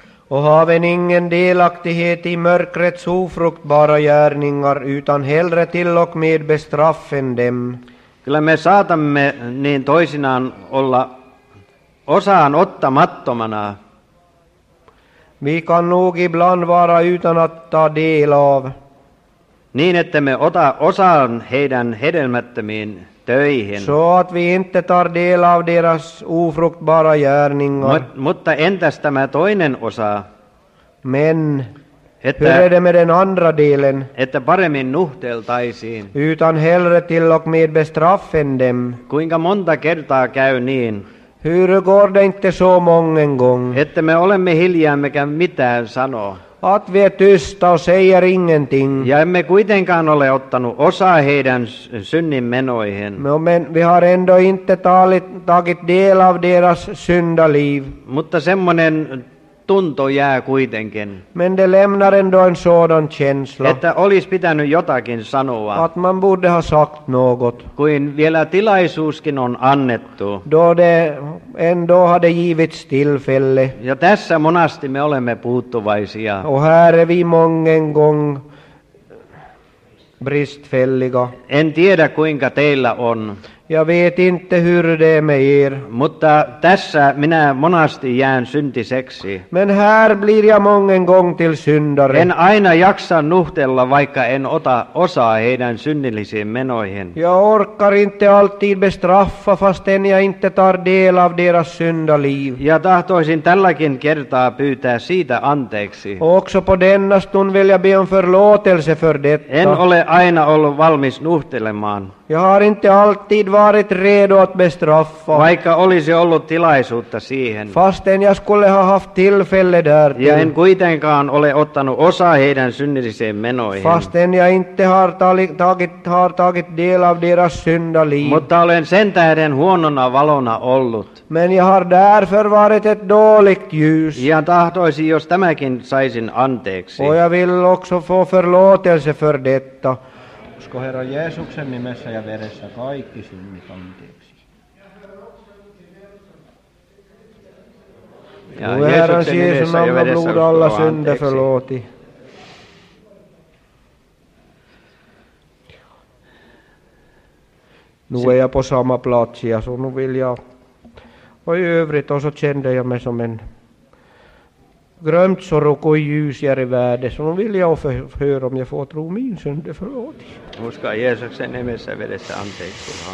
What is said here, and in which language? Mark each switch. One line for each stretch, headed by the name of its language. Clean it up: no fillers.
Swedish: Och haven ingen delaktighet i mörkrets ofruktbara gärningar, utan hellre till och med bestraffen dem.
Finnish: Kyllä me saatamme niin toisinaan olla osaan ottamattomana.
Swedish: Vi kan nog ibland vara utan att ta del av.
Finnish: Niin, että me ota osaan heidän hedelmättömiin töihin.
Swedish: Så att vi inte tar del av deras ofruktbara gärningar.
Finnish: Mutta entäs tämä toinen osa?
Swedish: Men, hur är det med den andra delen?
Finnish: Että paremmin nuhteltaisiin.
Swedish: Utan hellre till och med bestraffen dem.
Finnish: Kuinka monta kertaa käy niin?
Swedish: Hur går det inte så många gånger?
Finnish: Että me olemme hiljaa, mikä mitään sanoo.
Swedish: Att vi är tysta och säger ingenting.
Finnish: Ja emme kuitenkaan ole ottanut osaa heidän synnin menoihin.
Swedish: Men vi har ändå inte tagit del av deras syndaliv.
Finnish: Mutta semmonen tunto jää kuitenkin.
Swedish: Men det lämnar ändå en sådan känsla.
Finnish: Että olisi pitänyt jotakin sanoa.
Swedish: Att man borde ha sagt något.
Finnish: Kuin vielä tilaisuuskin on annettu.
Swedish: Då det ändå hade givits tillfälle.
Finnish: Ja tässä monasti me olemme puuttuvaisia.
Swedish: Och här är vi många gånger bristfälliga.
Finnish: En tiedä kuinka teillä on.
Swedish: Ja vet inte hur det är med er.
Finnish: Mutta tässä minä monasti jään syntiseksi.
Swedish: Men här blir jag många gånger till syndare.
Finnish: En aina jaksa nuhtella, vaikka en ota osaa heidän synnillisiin menoihin.
Swedish: Ja orkar inte alltid bestraffa, fastän jag inte tar del av deras syndaliv.
Finnish: Ja tahtoisin tälläkin kertaa pyytää siitä anteeksi.
Swedish: Också på denna stund vill jag be om förlåtelse för detta.
Finnish: En ole aina ollut valmis nuhtelemaan.
Swedish: Jag har inte alltid varit redo att bestraffa.
Finnish: Vaikka olisi ollut tilaisuutta siihen.
Swedish: Fastän jag skulle ha haft tillfälle där.
Finnish: Ja en kuitenkaan ole ottanut osaa heidän synnilliseen menoihin.
Swedish: Fastän jag inte har tagit del av deras syndaliv.
Finnish: Mutta olen sen tähden huonona valona ollut.
Swedish: Men jag har därför varit ett dåligt ljus.
Finnish: Ja tahtoisin, jos tämäkin saisin anteeksi.
Swedish: Och jag vill också få förlåtelse för detta.
Finnish: Usko Herran Jeesuksen nimessä ja veressä kaikki synnit anteeksi. Ja Herran Jeesuksen nimessä ja veressä
Swedish: alla synde förlåti. Nu är jag på samma plats ja så nu vill jag. Och i övrigt och så kände jag mig som en grömt sorok och ljusjär i värde. Så nu vill jag höra om jag får tro min synde förlåt. Nu ska
Finnish: Jeesuksen nimessä vedessä anteeksi.